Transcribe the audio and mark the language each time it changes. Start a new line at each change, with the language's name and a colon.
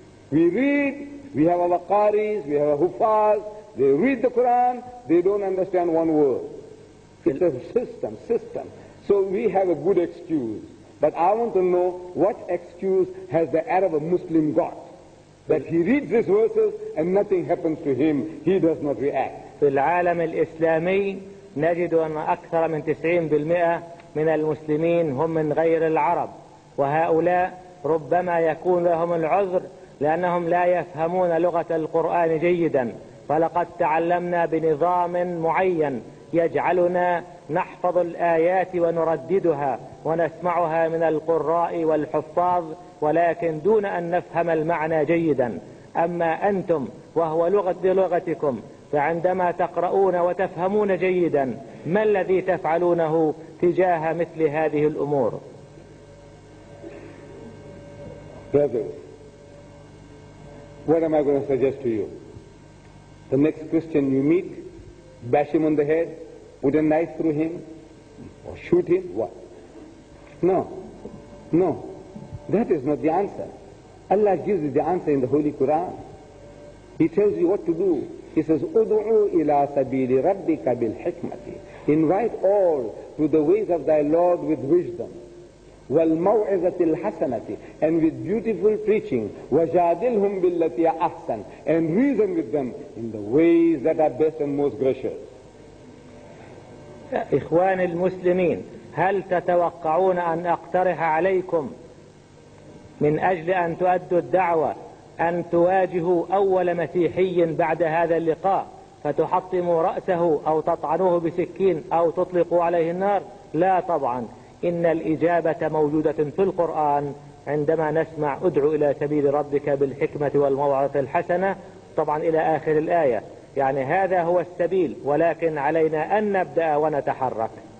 English: We read, we have our qaris, we have our huffaz, they read the Quran, they don't understand one word. It's a system. So we have a good excuse. But I want to know, what excuse has the Arab Muslim got? That he reads these verses and nothing happens to him, he does not react.
Arabic: في العالم الإسلامي نجد أن أكثر من 90% من المسلمين هم من غير العرب، وهؤلاء ربما يكون لهم العذر لأنهم لا يفهمون لغة القرآن جيدا، فلقد تعلمنا بنظام معين يجعلنا نحفظ الآيات ونرددها ونسمعها من القراء والحفاظ، ولكن دون أن نفهم المعنى جيدا. أما أنتم وهو لغة لغتكم، فعندما تقرؤون وتفهمون جيدا، ما الذي تفعلونه تجاه مثل هذه الأمور؟
English: Brothers, what am I going to suggest to you? The next Christian you meet, bash him on the head, put a knife through him, or shoot him, what? No, that is not the answer. Allah gives you the answer in the Holy Quran. He tells you what to do. He says,
Arabic: أُدْعُوا إِلَىٰ سَبِيلِ رَبِّكَ بِالْحِكْمَةِ.
English: Invite all to the ways of thy Lord with wisdom.
Arabic: وَالْمَوْعِظَةِ الْحَسَنَةِ.
English: And with beautiful preaching.
Arabic: وَجَادِلْهُمْ بِالَّتِي أَحْسَنْ.
English: And reason with them in the ways that are best and most gracious.
Arabic: إخواني المسلمين، هل تتوقعون أن أقترح عليكم من أجل أن تؤدوا الدعوة أن تواجهوا أول مسيحي بعد هذا اللقاء فتحطموا رأسه أو تطعنوه بسكين أو تطلقوا عليه النار؟ لا طبعا، إن الإجابة موجودة في القرآن عندما نسمع أدعو إلى سبيل ربك بالحكمة والموعظة الحسنة، طبعا إلى آخر الآية، يعني هذا هو السبيل، ولكن علينا أن نبدأ ونتحرك.